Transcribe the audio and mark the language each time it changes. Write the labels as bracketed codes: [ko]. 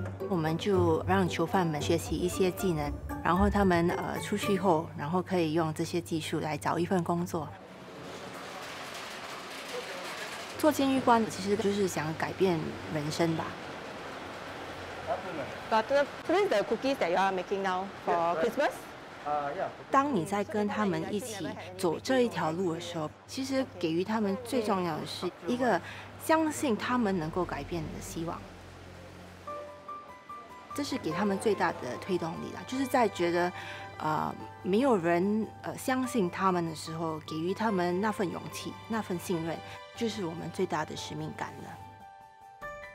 [zh] 我们就让囚犯们学习一些技能，然后他们出去后，然后可以用这些技术来找一份工作。做监狱官其实就是想改变人生吧。 [en] But please the cookies that you are making now for Christmas. [zh] 当你在跟他们一起走这一条路的时候，其实给予他们最重要的是一个相信他们能够改变的希望。这是给他们最大的推动力了，就是在觉得，没有人相信他们的时候，给予他们那份勇气、那份信任，就是我们最大的使命感了。